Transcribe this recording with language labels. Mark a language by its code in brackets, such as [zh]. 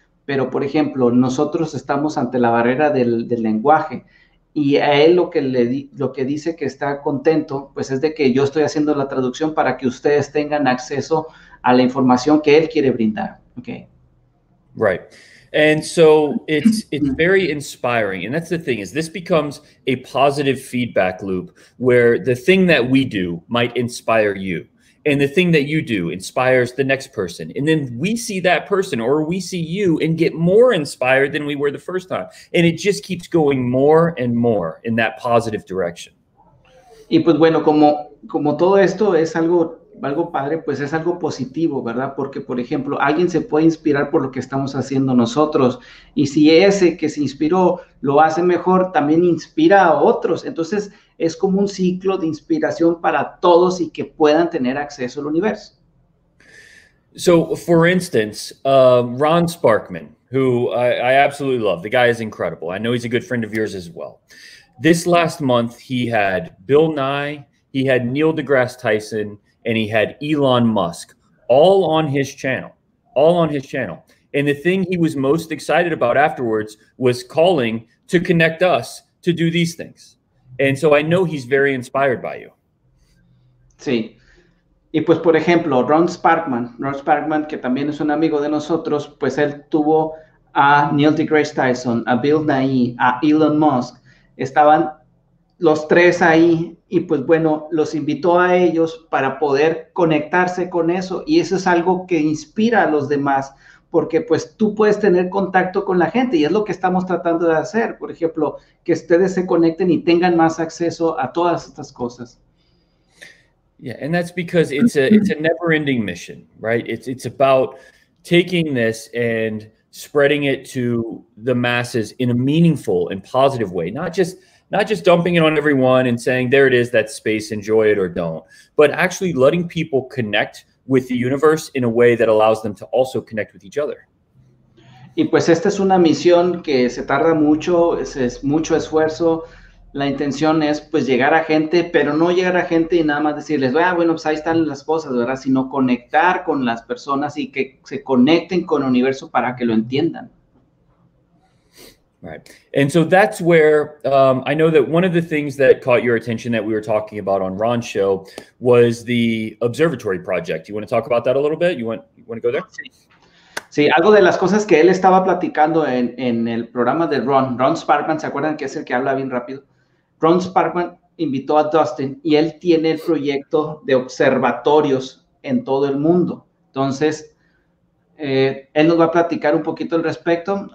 [es] Pero, por ejemplo, nosotros estamos ante la barrera del lenguaje. Y a él lo que dice que está contento, pues es de que yo estoy haciendo la traducción para que ustedes tengan acceso a la información que él quiere brindar. [en] Okay. Right. And so it's very inspiring. And that's the thing, is this becomes a positive feedback loop where the thing that we do might inspire you. And the thing that you do inspires the next person. And then we see that person or we see you and get more inspired than we were the first time. And it just keeps going more and more in that positive direction. [es] Y pues bueno, como todo esto es algo padre, pues es algo positivo, ¿verdad? Porque, por ejemplo, alguien se puede inspirar por lo que estamos haciendo nosotros. Y si ese que se inspiró lo hace mejor, también inspira a otros. Entonces, es como un ciclo de inspiración para todos y que puedan tener acceso al universo. [en] So, for instance, Ron Sparkman, who I absolutely love. The guy is incredible. I know he's a good friend of yours as well. This last month, he had Bill Nye, he had Neil deGrasse Tyson, and he had Elon Musk all on his channel. And the thing he was most excited about afterwards was calling to connect us to do these things. And so I know he's very inspired by you. [es] Sí. Y pues, por ejemplo, Ron Sparkman, que también es un amigo de nosotros, pues él tuvo a Neil deGrasse Tyson, a Bill Nye, a Elon Musk. Estaban los tres ahí. Y pues bueno, los invitó a ellos para poder conectarse con eso. Y eso es algo que inspira a los demás, porque pues tú puedes tener contacto con la gente y es lo que estamos tratando de hacer. Por ejemplo, que ustedes se conecten y tengan más acceso a todas estas cosas. [en] Yeah, and that's because it's a never-ending mission, right? It's about taking this and spreading it to the masses in a meaningful and positive way, not just dumping it on everyone and saying, there it is, that space, enjoy it or don't, but actually letting people connect with the universe in a way that allows them to also connect with each other. [es] Y pues esta es una misión que se tarda mucho, es mucho esfuerzo. La intención es pues llegar a gente, pero no llegar a gente y nada más decirles, ah, bueno, pues ahí están las cosas, ¿verdad? Sino conectar con las personas y que se conecten con el universo para que lo entiendan. [en] Right. And so that's where I know that one of the things that caught your attention that we were talking about on Ron's show was the observatory project. You want to talk about that a little bit? You want to go there? [es] Sí, algo de las cosas que él estaba platicando en el programa de Ron Sparkman, ¿se acuerdan que es el que habla bien rápido? Ron Sparkman invitó a Dustin y él tiene el proyecto de observatorios en todo el mundo. Entonces, él nos va a platicar un poquito al respecto.